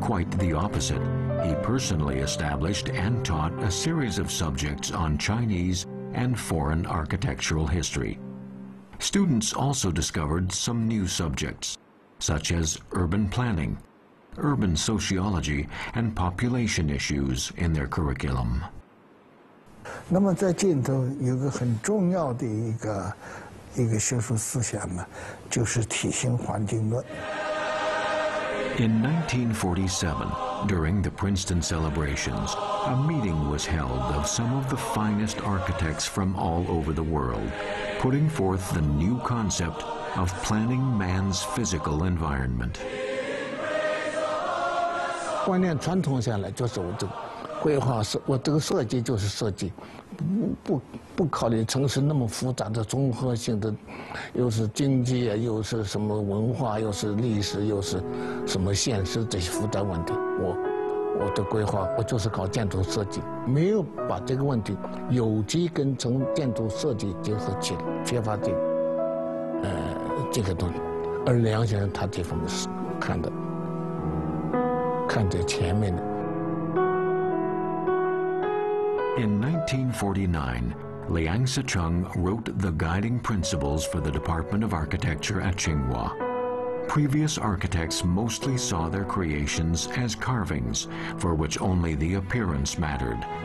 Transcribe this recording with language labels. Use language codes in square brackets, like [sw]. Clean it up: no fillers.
[en] Quite the opposite. He personally established and taught a series of subjects on Chinese and foreign architectural history. Students also discovered some new subjects, such as urban planning, urban sociology, and population issues in their curriculum. [zh] 那么在箭头有个很重要的一个学术思想呢，就是体型环境论。 [en] In 1947, during the Princeton celebrations, a meeting was held of some of the finest architects from all over the world, putting forth the new concept of planning man's physical environment. [zh] 观念传统下来就是我这个规划是我这个设计就是设计，不考虑城市那么复杂的综合性的，又是经济又是什么文化又是历史又是什么现实这些复杂问题，我的规划我就是搞建筑设计，没有把这个问题有机跟从建筑设计结合起来，缺乏这个东西。而梁先生他这方面是看得前面的。 [en] In 1949, Liang Sicheng wrote the guiding principles for the Department of Architecture at Tsinghua. Previous architects mostly saw their creations as carvings, for which only the appearance mattered.